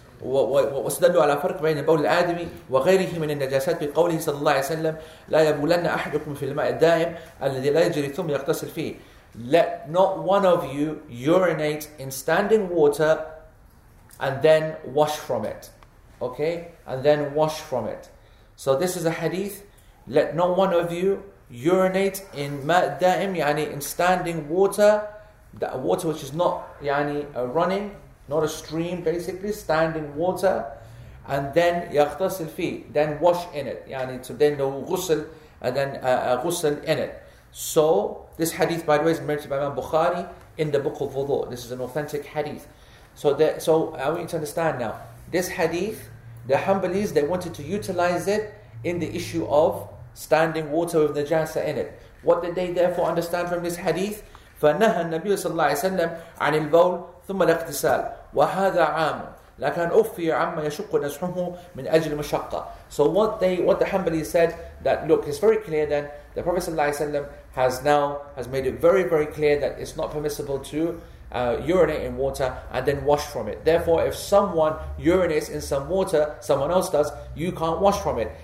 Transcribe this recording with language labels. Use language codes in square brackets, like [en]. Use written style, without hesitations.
[ar] واستدلوا على فرق بين بول الآدمي وغيره من النجاسات بقوله صلى الله عليه وسلم لا يبولن أحدكم في الماء الدائم الذي لا يجري ثم يغتسل فيه. [en] Let not one of you urinate in standing water and then wash from it. Okay? And then wash from it. So this is a hadith. Let not one of you urinate in [ar] ماء الدائم, يعني [en] in standing water, that water which is not يعني running, not a stream, basically standing water, and then [ar] يغتسل فيه, [en] then wash in it. [ar] يعني [en] to then do غسل, and then غسل in it. So this hadith, by the way, is narrated by Imam Bukhari in the book of Wudu. This is an authentic hadith. So I want you to understand now. This hadith, the Hanbalis, they wanted to utilize it in the issue of standing water with najasa in it. What did they therefore understand from this hadith? [ar] فنهى النبي صلى الله عليه وسلم عن البول ثم الاغتسال وهذا عام لكن أوفي عما يشق نزحه من أجل مشقة. [en] So what the Hanbali said, that look, it's very clear then, the Prophet sallallahu alaihi wasallam has made it very, very clear that it's not permissible to urinate in water and then wash from it. Therefore, if someone urinates in some water, someone else does, you can't wash from it.